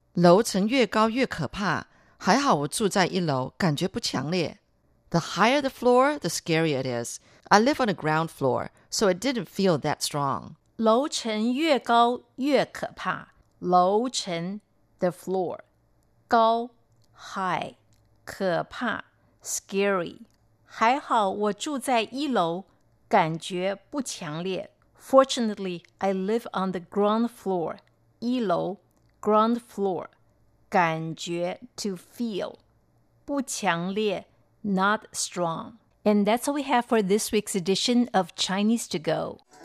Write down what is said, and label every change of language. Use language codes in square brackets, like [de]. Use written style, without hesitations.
[zh] 楼层越高越可怕, 还好我住在一楼, 感觉不强烈。 [en] The higher the floor, the scarier it is. I live on the ground floor, so it didn't feel that strong. [zh] 楼层越高越可怕。楼层 the floor, 高 high, 可怕 scary。还好我住在一楼，感觉不强烈。 [en] Fortunately, I live on the ground floor, 一楼 ground floor, 感觉 to feel, 不强烈 not strong. And that's all we have for this week's edition of Chinese to Go.